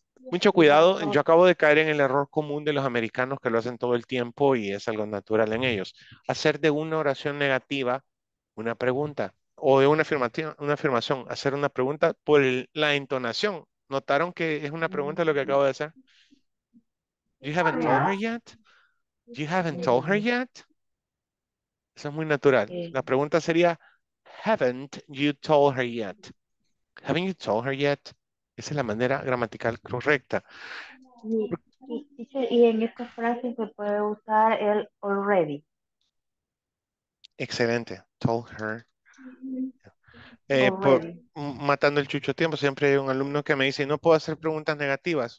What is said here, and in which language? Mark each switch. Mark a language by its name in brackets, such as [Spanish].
[Spanish] Mucho cuidado, yo acabo de caer en el error común de los americanos que lo hacen todo el tiempo y es algo natural en ellos. Hacer de una oración negativa una pregunta, o de una afirmación, hacer una pregunta por la entonación. ¿Notaron que es una pregunta lo que acabo de hacer? [English] You haven't told her yet? You haven't told her yet? [Spanish] Eso es muy natural. [English] Okay. [Spanish] La pregunta sería, [English] haven't you told her yet? Haven't you told her yet? [Spanish] Esa es la manera gramatical correcta. Y en esta frase se puede usar el already. Excelente. [English] Told her. [Spanish] Por, matando el chucho tiempo, siempre hay un alumno que me dice, no puedo hacer preguntas negativas.